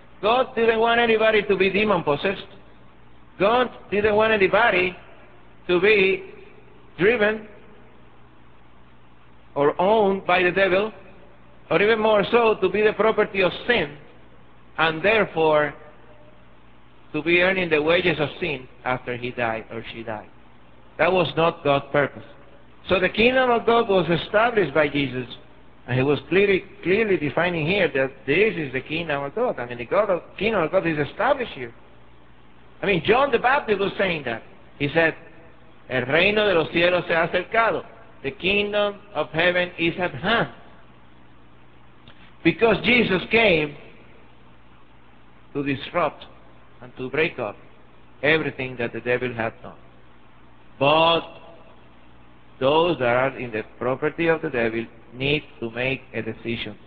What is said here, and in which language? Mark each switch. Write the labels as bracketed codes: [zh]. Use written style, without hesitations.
[en] God didn't want anybody to be demon-possessed. God didn't want anybody to be driven or owned by the devil, or even more so, to be the property of sin, and therefore to be earning the wages of sin after he died or she died. That was not God's purpose. So the kingdom of God was established by Jesus, and he was clearly defining here that this is the kingdom of God. I mean, kingdom of God is established here. I mean, John the Baptist was saying that. He said, [es] el reino de los cielos se ha acercado. [en] The kingdom of heaven is at hand. Because Jesus came to disrupt and to break up everything that the devil had done. But those that are in the property of the devil need to make a decision.